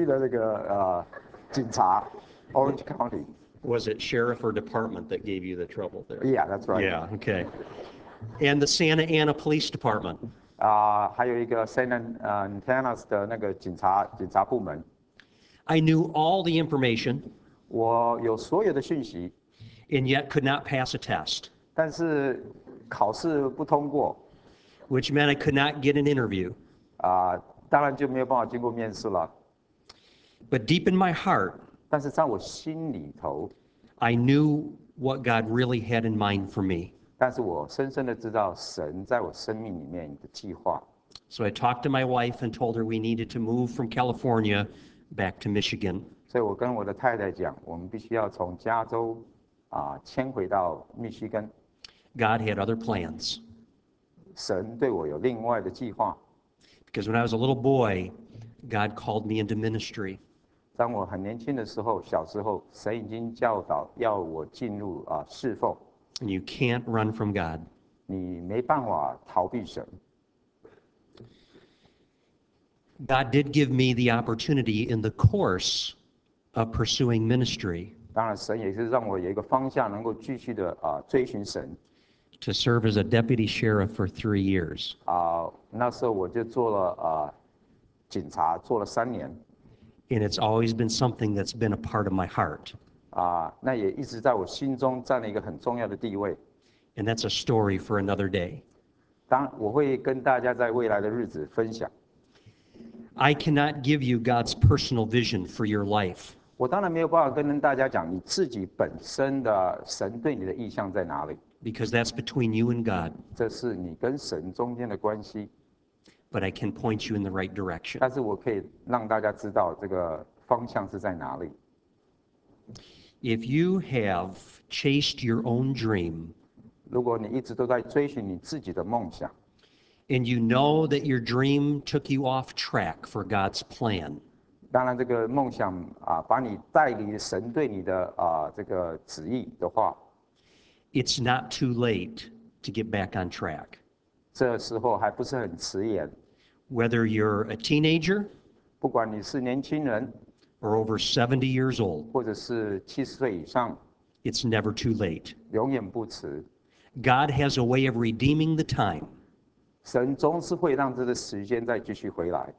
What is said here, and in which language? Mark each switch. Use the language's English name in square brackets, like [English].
[Chinese] 或者就是查那个橘子区的那个警察 ，Orange County. [English] Was it sheriff or department that gave you the trouble there? Yeah, that's right. Yeah, okay. And the Santa Ana Police Department. [Chinese] 还有一个 Santa Ana's 的那个警察部门。 [English] I knew all the information. [Chinese] 我有所有的讯息。 [English] And yet could not pass a test. [Chinese] 但是考试不通过。 [English] Which meant I could not get an interview. [Chinese] 当然就没有办法经过面试了。 [English] But deep in my heart, [Chinese] 但是在我心里头, [English] I knew what God really had in mind for me. [Chinese] 但是我深深地知道神在我生命里面的计划。 [English] So I talked to my wife and told her we needed to move from California back to Michigan. [Chinese] 所以我跟我的太太讲，我们必须要从加州啊迁回到密西根。 [English] God had other plans. [Chinese] 神对我有另外的计划。 [English] Because when I was a little boy, God called me into ministry. [Chinese] 当我很年轻的时候，小时候，神已经教导要我进入啊侍奉。 [English] And you can't run from God. [Chinese] 你没办法逃避神。 [English] God did give me the opportunity in the course of pursuing ministry. [Chinese] 当然，神也是让我有一个方向，能够继续的啊追寻神。 [English] To serve as a deputy sheriff for 3 years. [Chinese] 啊，那时候我就做了啊警察，做了三年。 [English] And it's always been something that's been a part of my heart. [Chinese] 啊，那也一直在我心中占了一个很重要的地位。 [English] And that's a story for another day. [Chinese] 当我会跟大家在未来的日子分享。 [English] I cannot give you God's personal vision for your life. [Chinese] 我当然没有办法跟大家讲你自己本身的神对你的意向在哪里。 [English] Because that's between you and God. [Chinese] 这是你跟神中间的关系。 [English] But I can point you in the right direction. [Chinese] 但是我可以让大家知道这个方向是在哪里。 [English] If you have chased your own dream, [Chinese] 如果你一直都在追寻你自己的梦想。 [English] And you know that your dream took you off track for God's plan. [Chinese] 当然这个梦想啊，把你带离神对你的啊这个旨意的话。 [English] It's not too late to get back on track. [Chinese] 这时候还不是很迟延。 [English] Whether you're a teenager, [Chinese] 不管你是年轻人 [English] or over 70 years old, [Chinese] 或者是70岁以上 [English] it's never too late. [Chinese] 永远不迟。 [English] God has a way of redeeming the time. [Chinese] 神总是会让这个时间再继续回来。